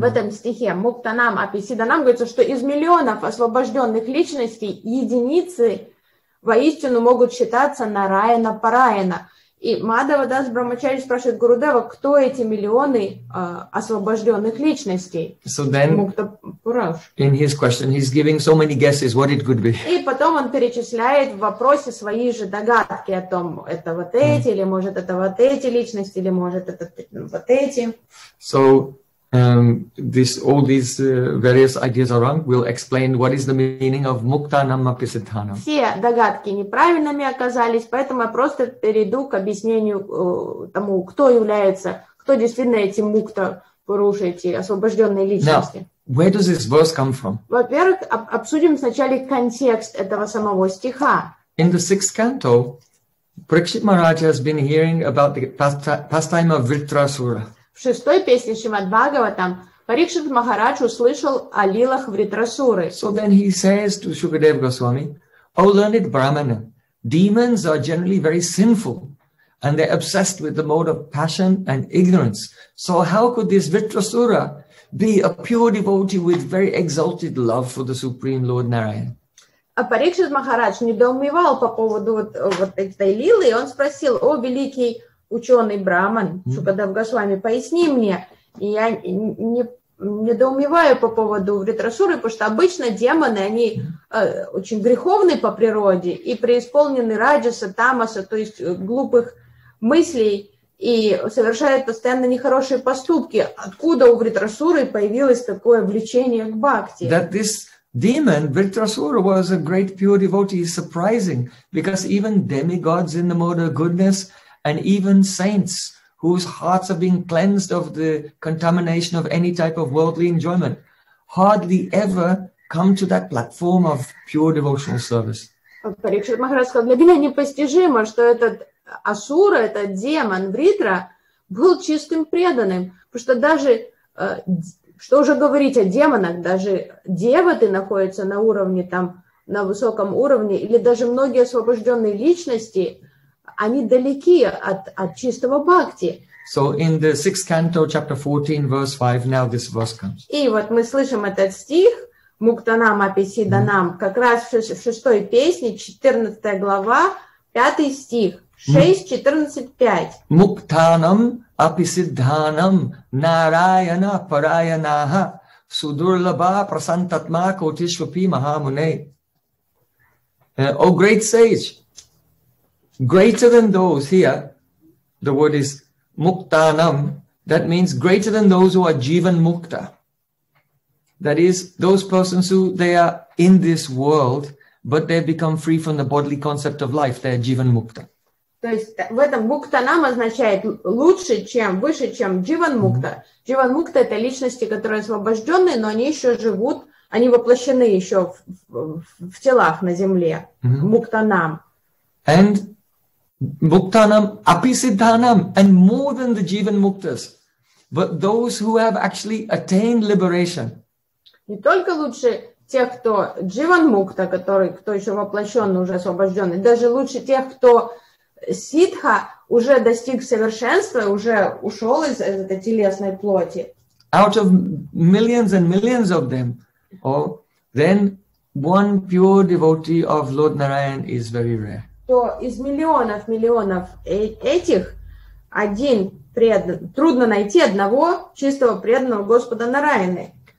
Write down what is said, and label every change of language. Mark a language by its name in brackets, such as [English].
[Russian] В этом стихе Муктанам Аписидханам говорится, что из миллионов освобожденных личностей единицы воистину могут считаться Нараяна Параяна. И Мадхава Дас Брамачари спрашивает Гурудева, кто эти миллионы освобожденных личностей? [English] So then, in his question, he's giving so many guesses, what it could be. [Russian] И потом он перечисляет в вопросе свои же догадки о том, это вот эти, или может это вот эти личности, или может это вот эти. [English] So, all these various ideas are wrong. We'll explain what is the meaning of Muktanam Apisiddhanam. [Russian] Все догадки неправильными оказались, поэтому я просто перейду к объяснению тому, кто является, кто действительно эти мукта пуруши, эти освобожденные личности. [English] Now, where does this verse come from? [Russian] Во-первых, обсудим вначале контекст этого самого стиха. [English] In the sixth canto, Parikshit Maharaj has been hearing about the pastime of Vritrasura. [Russian] В шестой песне Шримад Бхагаватам Парикшит Махарадж услышал о лилах Вритрасуры. [English] So then he says to Shukadev Goswami, O learned Brahmana, demons are generally very sinful, and they're obsessed with the mode of passion and ignorance. So how could this Vritrasura be a pure devotee with very exalted love for the Supreme Lord Narayan? [Russian] А Парикшит Махарадж недоумевал по поводу вот этой лилы, и он спросил, о великий ученый Браман Шукадев Гасвами, поясни мне, и я не недоумеваю по поводу Вритрасуры, потому что обычно демоны, они очень греховны по природе и преисполнены раджаса, тамаса, то есть глупых мыслей, и совершают постоянно нехорошие поступки. Откуда у Вритрасуры появилось такое влечение к бхакти? [English] That this demon, Вритрасура, was a great pure devotee is surprising, because even demigods in the mode of goodness and even saints whose hearts are being cleansed of the contamination of any type of worldly enjoyment, hardly ever come to that platform of pure devotional service. [Russian] Парикшит Махарадж сказал, для меня непостижимо, что этот асура, этот демон Вритра, был чистым преданным. Потому что даже, что уже говорить о демонах, даже деваты находятся на уровне, там, на высоком уровне, или даже многие освобожденные личности, они далеки от чистого бхакти. [English] So in the sixth canto, chapter 14, verse 5, now this verse comes. [Russian] И вот мы слышим этот стих, Муктанам Аписиданам, как раз в шестой песне, 14 глава, 5 стих, 6, 14, 5. [Sanskrit] Муктанам Аписиданам Нараяна Параянаха Судурлаба Прасантатма Котишвапи Махамуне. [English] Oh, great sage! Greater than those here, the word is muktanam, that means greater than those who are jivan mukta. That is, those persons who, they are in this world, but they become free from the bodily concept of life, they are jivan mukta. [Russian] То есть в этом муктанам означает лучше, чем, выше, чем jivan mukta. Jivan mukta — это личности, которые освобожденные, но они еще живут, они воплощены еще в телах на земле, муктанам. [English] And Muktanam, Apisiddhanam, and more than the Jivan Muktas, but those who have actually attained liberation. [Russian] Не только лучше тех, кто Jivan Mukta, который, кто еще воплощен, уже освобожденный, даже лучше тех, кто Сидха уже достиг совершенства, уже ушел из этой телесной плоти. [English] Out of millions and millions of them, oh, then one pure devotee of Lord Narayan is very rare. [Russian] То из миллионов этих один преданный, трудно найти одного чистого преданного Господа Нараяны.